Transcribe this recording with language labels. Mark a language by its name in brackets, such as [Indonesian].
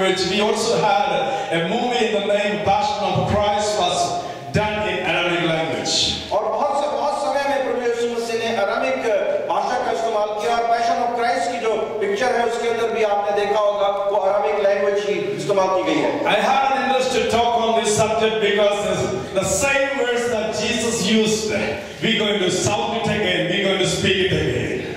[English] we also had a movie in the name Passion of Christ was done in Aramaic language. [Hindi] और बहुत समय में प्रभु यीशु मसीह ने Aramaic भाषा का इस्तेमाल किया और पैशन ऑफ क्राइस्ट की जो पिक्चर है उसके अंदर भी आपने देखा होगा वो अरामिक लैंग्वेज ही इस्तेमाल की गई है. [English] I had an interest to talk on this subject because the same words that Jesus used, we're going to sound it again, we're going to speak it again.